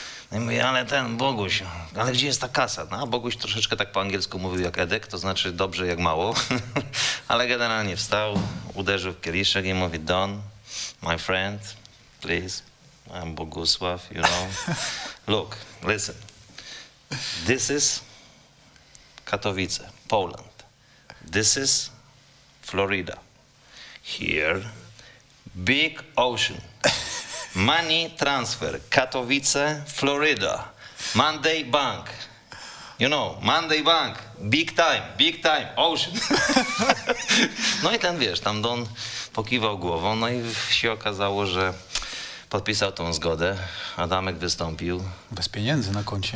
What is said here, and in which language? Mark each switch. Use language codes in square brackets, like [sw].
[pl] No i mówię: ale ten Boguś, ale gdzie jest ta kasa? No a Boguś troszeczkę tak po angielsku mówił jak Edek, to znaczy dobrze jak mało, ale generalnie wstał, uderzył w kieliszek i mówi: [en] Don, my friend, please, I'm Bogusław, you know, look, listen, this is Katowice, Poland, this is Florida, here, big ocean. Money transfer, Katowice, Florida, Monday Bank, you know, Monday Bank, big time, ocean. [pl] No i ten, wiesz, tam Don pokiwał głową, no i się okazało, że podpisał tą zgodę, Adamek wystąpił. Bez pieniędzy na koncie.